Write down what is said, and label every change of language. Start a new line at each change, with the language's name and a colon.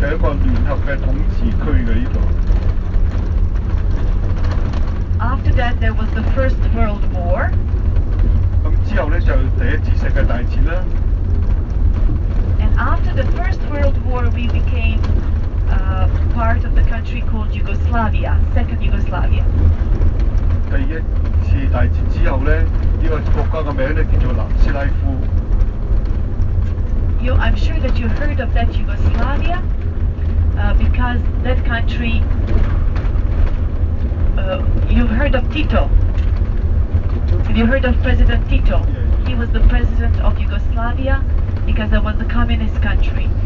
Cantonese: 咁講話你完結個統治之後咧，就一個聯合嘅統治區嘅呢度。
English: After that, there was the First World War.
Cantonese: 咁之後咧就第一次世界大戰啦。
English: And after the First World War, we became part of the country called Yugoslavia, Second Yugoslavia.
Cantonese: 第一次大戰之後咧，呢個國家嘅名咧叫做南斯拉夫。
English: I'm sure that you heard of that Yugoslavia, because that country. You've heard of Tito. Have you heard of President Tito? He was the president of Yugoslavia because it was a communist country.